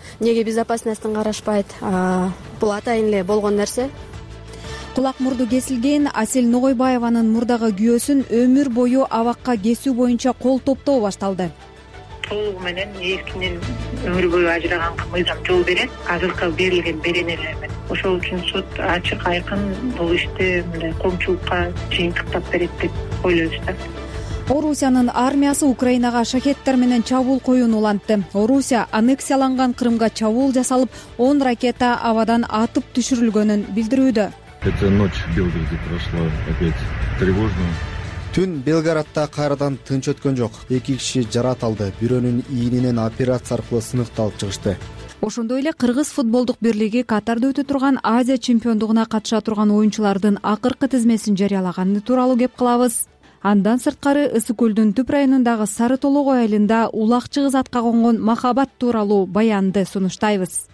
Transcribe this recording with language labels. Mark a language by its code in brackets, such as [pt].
[ky] Неге безопасностун карашпайт? Бул атайын эле болгон нерсе. Кулак мурду кесилген Асель Ногойбаеванын мурдагы күйөөсүн өмүр бою абакка кесүү боюнча кол топтоо башталды. Толугу менен эркинен өмүр бою ажыраганга мыйзам жол берет. Азыркы берилген берен эле. Ошол үчүн сот ачык айкын бул иште коомчулукка жыйынтыктап берет деп ойлойбуз да. Орусиянын армиясы Украинага шахеттер менен чабуул коюун улантты. Орусия аннексияланган Крымга чабуул жасалып, 10 ракета абадан атып түшүрүлгөнүн билдирүүдө. [ru] Эта ночь в Белгороде прошла опять тревожно. [ky] Түн Белгородда кайрадан тынч өткөн жок. Эки киши жараат алды, бирөөнүн ийнинен операция аркылуу сыныкталып чыгышты. Ошондой эле Кыргыз футболдук бирлиги Катарда өтө турган Азия чемпиондугуна катыша турган оюнчулардын акыркы тизмесин жарыялаганы тууралуу кеп кылабыз. Андан сырткары Ысык Көлдүн түп районундагы Сары Толого айылында улакчы кыз атка конгон махабат тууралуу баянды сунуштайбыз.